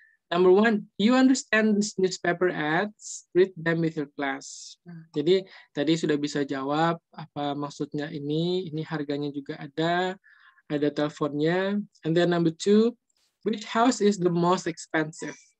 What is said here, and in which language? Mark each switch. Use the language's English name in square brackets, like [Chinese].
[English] Number one, you understand this newspaper ads, read them with your class. [Indonesian] Jadi tadi sudah bisa jawab apa maksudnya ini harganya juga ada teleponnya. [English] And then number two, which house is the most expensive?